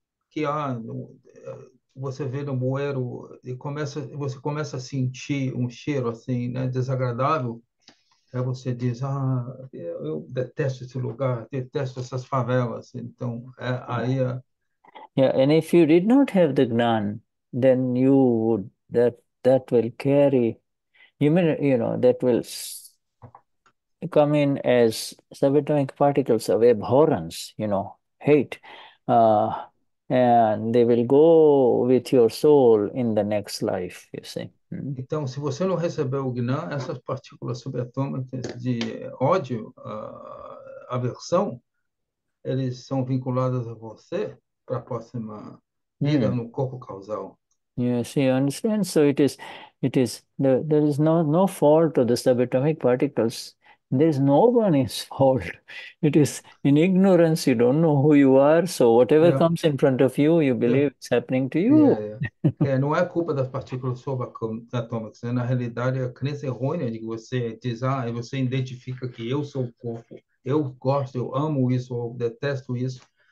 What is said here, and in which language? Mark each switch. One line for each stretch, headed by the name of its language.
Portuguese: que há... você vê no bueiro e você começa a sentir um cheiro assim, né, desagradável, aí você diz, eu detesto esse lugar, detesto essas favelas. Então,
English: And if you did not have the gnan, then you would, that will carry, that will come in as subatomic particles of abhorrence, you know, hate. And they will go with your soul in the next life, you see.
Portuguese: Então, se você não receber o Gnan, essas partículas subatômicas de ódio, aversão, eles são vinculadas a você para a próxima vida no corpo causal.
English: Yes, you understand? So it is there is no fault of the subatomic particles. There's no one's fault. It is in ignorance. You don't know who you are. So whatever comes in front of you, you believe it's happening to you.
Portuguese: Não é culpa das partículas subatômicas. Na realidade, é a crença errônea de que você diz, e você identifica que eu sou o corpo. Eu gosto, eu amo isso, eu detesto isso.